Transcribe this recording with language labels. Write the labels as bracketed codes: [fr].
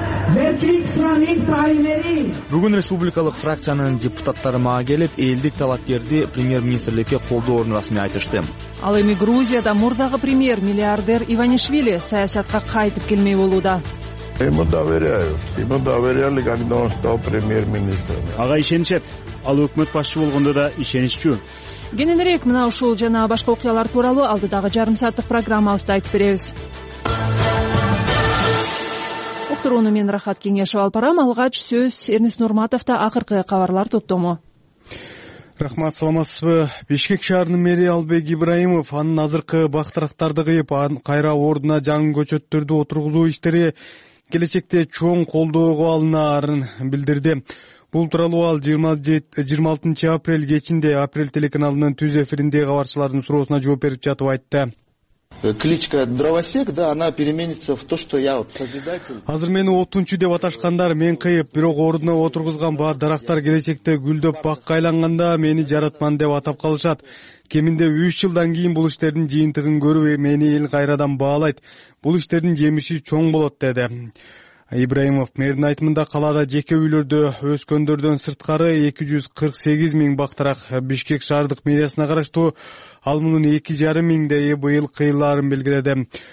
[ky] Бүгүн республикалык фракциянын депутаттары мага келип, элдик талапкерди премьер-министрликке колдоорун расмий айтышты. Ал эми Грузияда мурдагы премьер миллиардер Иванишвили саясатка кайтып келмей болууда. [ru] Ему доверяли, когда он стал премьер-министром. [ky] Ага ишенишет. Ал өкмөт башчы болгондо да ишеничтүү. Кененирээк мына ушул жана башка окуялар тууралуу алдыдагы жарым сааттык программабызда айтып беребиз. Турууну мен Рахат Кеңешов алып барам. Алгач сөз Эрнис Нурматовто акыркы кабарлар топтому. Рахмат, саламатсызбы. Бишкек шаарынын мэри Албек Ибраимов анын азыркы бактырактарды кыйып, кайра ордуна жаңы көчөттөрдү отургузуу иштери келечекте чоң колдоого алынаарын билдирди. Бул тууралуу ал 26 апрель кечинде Апрель телеканалынын түз эфиринде кабарчылардын суроосуна жооп берип жатып айтты. [ru] Кличка дровосек, да, она переменится в то, что я вот созидатель. [ky] Азыр мени отунчу деп аташкандар мен кыйып, бирок ордуна отургузган баа дарактар келечекте гүлдөп бакка айланганда мени жаратман деп атап калышат. Кеминде 3 жылдан кийин бул иштердин жыйынтыгын көрүп мени эл кайрадан баалайт. Бул иштердин жемиши чоң болот деди. Ибраимов мэрдин айтымында калада жеке үйлөрдө өскөндөрдөн сырткары 248 000 бактарак Бишкек шаардык мэриясына караштуу, ал мунун 2,5 000 быйыл кыйылаарын белгиледи.